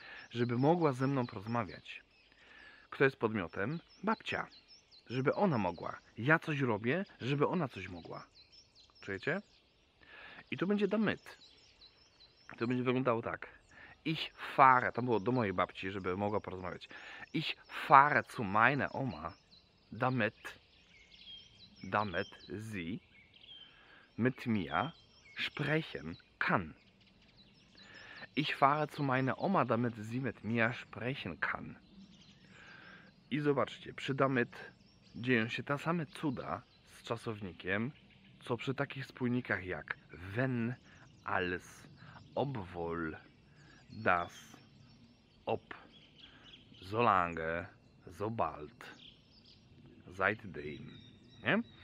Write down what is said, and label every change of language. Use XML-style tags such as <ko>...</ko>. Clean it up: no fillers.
<pl>Żeby mogła ze mną porozmawiać. Kto jest podmiotem? Babcia. Żeby ona mogła. Ja coś robię, żeby ona coś mogła. Czujecie? I tu będzie damyt. To będzie wyglądało tak.</pl> <de>Ich fahre,</de> <pl>to było do mojej babci, żeby mogła porozmawiać.</pl> <de>Ich fahre zu meiner Oma, damit sie mit mir sprechen kann. Ich fahre zu meiner Oma, damit sie mit mir sprechen kann.</de> <pl>I zobaczcie, przy damit dzieją się te same cuda z czasownikiem, co przy takich spójnikach jak wenn, als, obwohl, das, ob, so lange, so bald, seitdem. Nie?</pl>